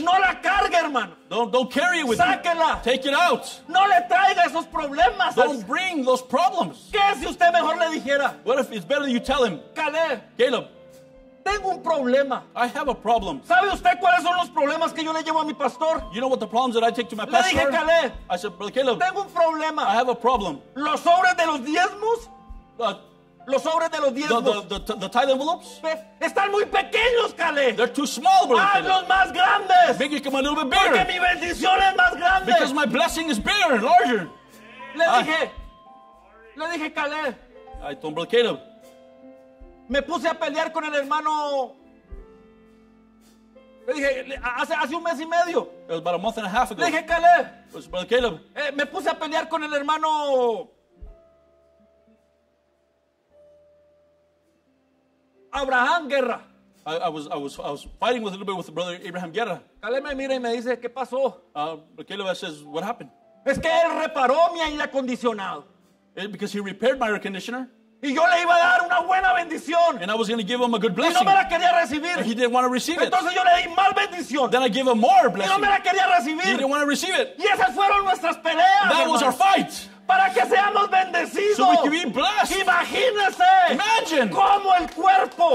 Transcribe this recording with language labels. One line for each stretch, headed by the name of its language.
Spanish: No la cargue, hermano.
English: Don't carry it with you.
Spanish: Sáquela.
English: Take it out.
Spanish: No le traiga esos problemas.
English: Don't bring those problems.
Spanish: ¿Qué si usted mejor le dijera?
English: What if it's better you tell him?
Spanish: Caleb. Tengo un problema.
English: I have a problem.
Spanish: ¿Sabe usted cuáles son los problemas que yo le llevo a mi pastor?
English: You know what the problems that I take to my pastor?
Spanish: Le dije, Caleb.
English: I said, Brother Caleb.
Spanish: Tengo un problema.
English: I have a problem.
Spanish: Los sobres de los diezmos. Los sobres de los diezmos.
English: The tithe envelopes.
Spanish: Están muy pequeños, Caleb.
English: They're too small, Brother Caleb.
Spanish: Hazlos más grandes.
English: Make them a little bit bigger.
Spanish: Porque mi bendición es más grande.
English: Because my blessing is bigger and larger.
Spanish: Le dije, Caleb.
English: I told Brother Caleb.
Spanish: Me puse a pelear con el hermano. Le dije, hace un mes y medio.
English: It was about a month and a half ago.
Spanish: Le dije, Caleb.
English: It was Brother Caleb.
Spanish: Me puse a pelear con el hermano. Abraham Guerra.
English: I was fighting with a little bit with the brother Abraham Guerra.
Spanish: Caleb me mira y me dice, ¿qué pasó?
English: Caleb says, what happened?
Spanish: Es que él reparó mi aire acondicionado.
English: Because he repaired my air conditioner.
Spanish: Y yo le iba a dar una buena bendición.
English: And I was going to give him a good blessing.
Spanish: Y no me la quería recibir.
English: And he didn't want to receive it.
Spanish: Entonces yo le di más bendición.
English: Then I gave him more blessing.
Spanish: Y no me la quería recibir.
English: He didn't want to receive it.
Spanish: Y esas fueron nuestras peleas.
English: That
Spanish: hermano.
English: Was our fight.
Spanish: Para que seamos bendecidos.
English: So we can be blessed.
Spanish: Imagínese.
English: Imagine.
Spanish: Como el cuerpo.